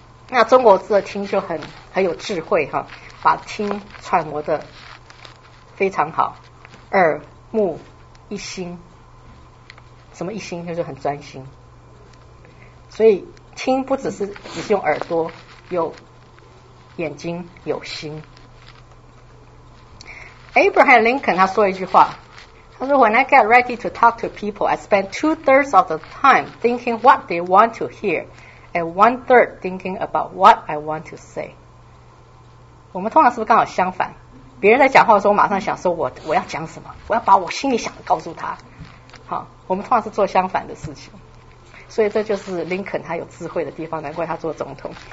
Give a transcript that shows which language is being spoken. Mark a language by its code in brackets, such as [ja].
[zh] 那中国字的听就很有智慧哈，把听揣摩的非常好，耳目一心，什么一心就是很专心。所以听不只是只是用耳朵，有眼睛，有心。 [en] Abraham Lincoln [zh] 他说一句话，他说 [en] When I get ready to talk to people I spend two-thirds of the time thinking what they want to hear and one-third thinking about what I want to say。 [zh] 我们通常是不是刚好相反，别人在讲话的时候马上想说我要讲什么，我要把我心里想的告诉他。好，我们通常是做相反的事情，所以这就是林肯他有智慧的地方，难怪他做总统。